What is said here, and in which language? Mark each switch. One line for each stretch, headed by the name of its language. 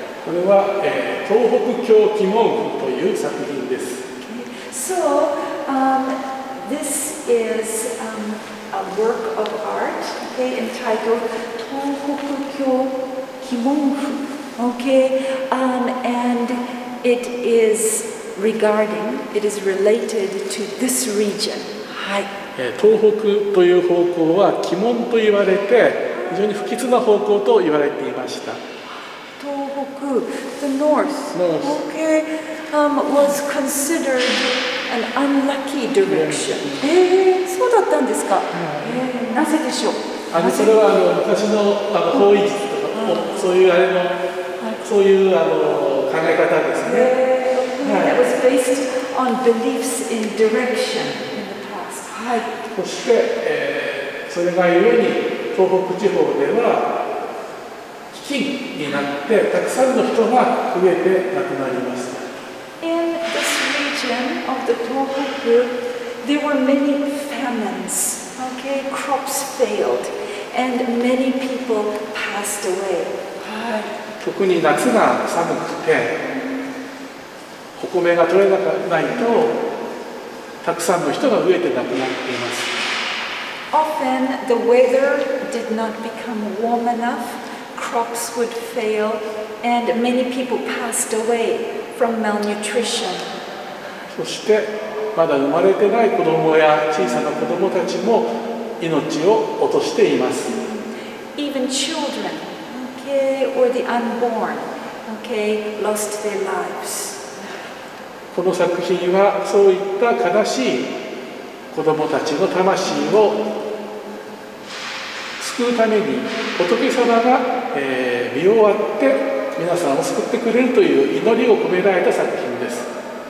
Japanese: これは、東北狂気文句という作品です。
English: Okay. So, this is a work of art, okay, entitled 東北狂気文句 Okay, and it is regarding, it is related to this region.
Japanese: はい、東北という方向は鬼門と言われて非常に不吉な方向と言われていました。
English: 東北、the north, north. Okay. Was considered an unlucky direction.
Japanese: そうだったんですか。なぜでしょう。それは昔の方位とか、そういうあれの、そういう考え方ですね。
English: That was based on beliefs in direction in the past.
Japanese: はい。そして、それが故に東北地方では飢饉になってたくさんの人が増えて亡くなりました。
English: In this region of the Tohoku, there were many famines. Okay, crops failed, and many people passed away.
Japanese: 特に夏が寒くて、お米が取れないとたくさんの人が増えて亡くなっています。
English: Often the weather did not become warm enough, crops would fail, and many people passed away from malnutrition.
Japanese: そしてまだ生まれてない子供や小さな子供たちも命を落としています。
English: Even children, okay, or the unborn, okay, lost their lives.
Japanese: この作品はそういった悲しい子供たちの魂を救うために仏様が、身を割って皆さんを救ってくれるという祈りを込められた作品です。